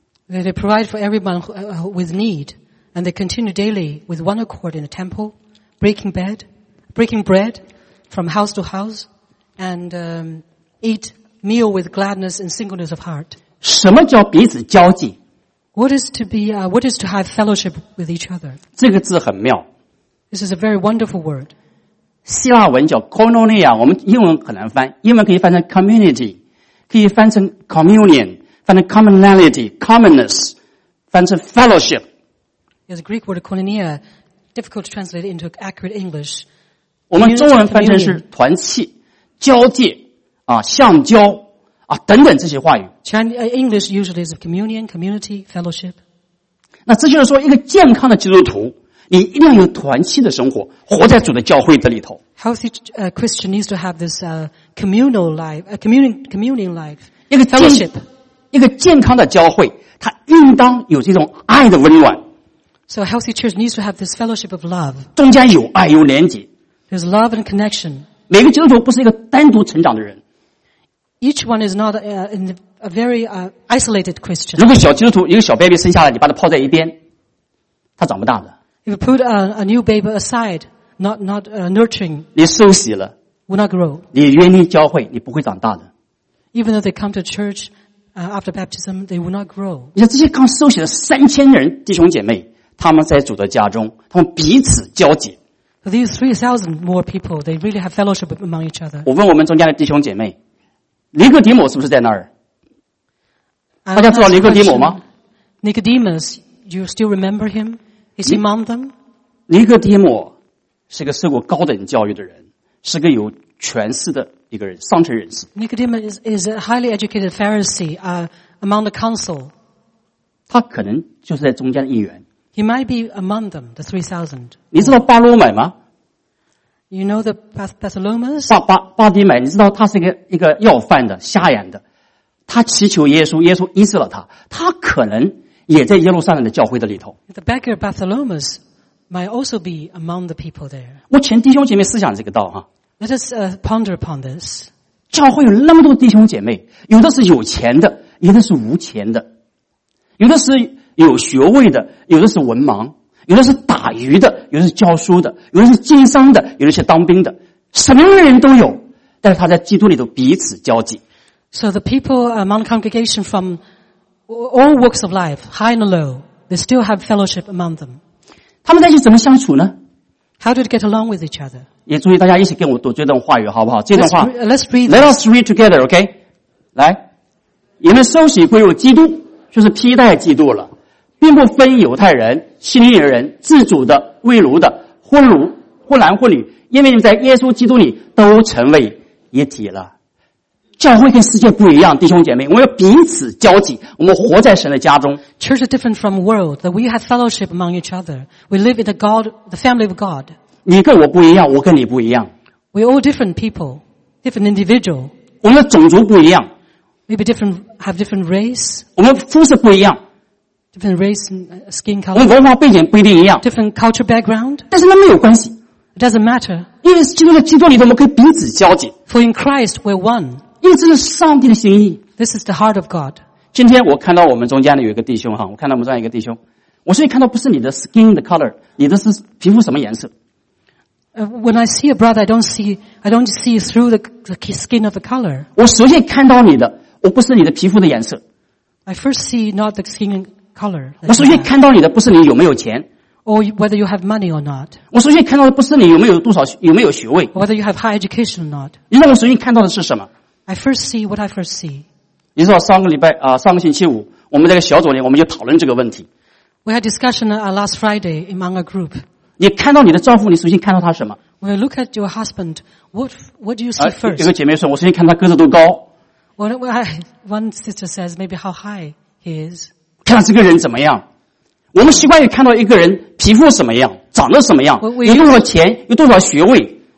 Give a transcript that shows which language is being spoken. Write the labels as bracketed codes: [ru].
[en] They provide for everyone with need, and they continue daily with one accord in the temple, breaking bread from house to house, and eat meal with gladness and singleness of heart. [zh] 什么叫彼此交际？ [en] What is to have fellowship with each other? [zh] 这个字很妙。 [en] This is a very wonderful word. [zh] 希腊文叫 koinonia, 我们英文很难翻，英文可以翻成 community, 可以翻成 communion, 翻成 commonality, commonness, 翻成 fellowship. [en] There's a Greek word koinonia, difficult to translate into accurate English. [zh] 我们中文翻成是团契、交界、相交。啊，等等这些话语。 [en] English usually is communion, community, fellowship. [zh] 那这就是说，一个健康的基督徒，你一定要有团契的生活，活在主的教会的里头。 [en] Healthy Christian needs to have this communal life, communion life. [zh] 一个 [en] fellowship, [zh] 一个健康的教会，它应当有这种爱的温暖。 [en] So a healthy church needs to have this fellowship of love. [zh] 中间有爱，有连结。 [en] There's love and connection. [zh] 每个基督徒不是一个单独成长的人。 [en] Each one is not a very isolated Christian. [zh] 如果小基督徒一个小 baby 生下来，你把它抛在一边，它长不大的。 [en] If you put a new baby aside, not nurturing, [zh] 你受洗了 [en] ，will not grow. [zh] 你愿意教会，你不会长大的。 [en] Even though they come to church after baptism, they will not grow. [zh] 你看这些刚受洗的3000人弟兄姐妹，他们在主的家中，他们彼此交集。 [en] So these 3,000 more people, they really have fellowship among each other. [zh] 我问我们中间的弟兄姐妹。尼哥底母是不是在那儿？大家知道尼哥底母吗 [en] ？Nicodemus, you still remember him? Is he among them? [zh] 尼哥底母是个受过高等教育的人，是个有权势的一个人，上层人士。 [en] Nicodemus is a highly educated Pharisee, among the council. [zh] 他可能就是在中间的一员。 [en] He might be among them, the 3,000. [zh] 你知道巴罗买吗？ [en] You know the Bartholomew's? [zh] 巴迪买，你知道他是一个要饭的、瞎眼的，他祈求耶稣，耶稣医治了他。他可能也在耶路撒冷的教会的里头。 [en] The beggar Bartholomew's might also be among the people there. [zh] 我请弟兄姐妹思想这个道哈。 [en] Let us ponder upon this. [zh] 教会有那么多弟兄姐妹，有的是有钱的，有的是无钱的，有的是有学位的，有的是文盲。有的是打鱼的，有的是教书的，有的是经商的，有的是当兵的，什么人都有。但是他在基督里头彼此交际。 [en] So the people among the congregation from all walks of life, high and low, they still have fellowship among them. [zh] 他们在一起怎么相处呢 [en] ？How do they get along with each other？ [zh] 也注意大家一起跟我读这段话语好不好？这段话 [en] ，Let us read together, OK？ [zh] 来，你们受洗归入基督，就是披戴基督了。并不分犹太人、希利尼人、自主的、未奴的、婚奴、或男或女，因为你们在耶稣基督里都成为一体了。教会跟世界不一样，弟兄姐妹，我们要彼此交际，我们活在神的家中。 [en] Church is different from the world, that we have fellowship among each other. We live in the family of God. [zh] 你跟我不一样，我跟你不一样。 [en] We're all different people, different individual. [zh] 我们的种族不一样。 [en] Maybe different, have different race. [zh] 我们肤色不一样。 [en] Different race, skin color. [zh] 我们文化背景不一定一样。 [en] Different culture background. [zh] 但是那没有关系。 [en] It doesn't matter. [zh] 因为基督在基督里头，我们可以彼此交集。 [en] For in Christ we're one. [zh] 因为这是上帝的心意。 [en] This is the heart of God. [zh] 今天我看到我们中间的有一个弟兄哈，我看到我们中间一个弟兄，我现在看到不是你的 [en] skin [zh] 的 [en] color， [zh] 你的是皮肤什么颜色 [en] ？When I see a brother, I don't see through the skin of the color. [zh] 我首先看到你的，我不是你的皮肤的颜色。 [en] I first see not the skin. Color, [zh] 我首先看到你的不是你有没有钱 [en] or whether you have money or not. [zh] 我首先看到的不是你有没有多少有没有学位 [en] whether you have high education or not. [zh] 你让我首先看到的是什么 [en] I first see what I first see. [zh] 你知道上个礼拜上个星期五我们这个小组里我们就讨论这个问题 [en] We had discussion last Friday among a group. [zh] 你看到你的丈夫，你首先看到他什么 [en] ？When you look at your husband, what do you see first? [zh] 有个姐妹说，我首先看他个子多高。 [en] One sister says maybe how high he is. [zh] 看到这个人怎么样？我们习惯于看到一个人皮肤怎么样，长得什么样，有多少钱，有多少学位。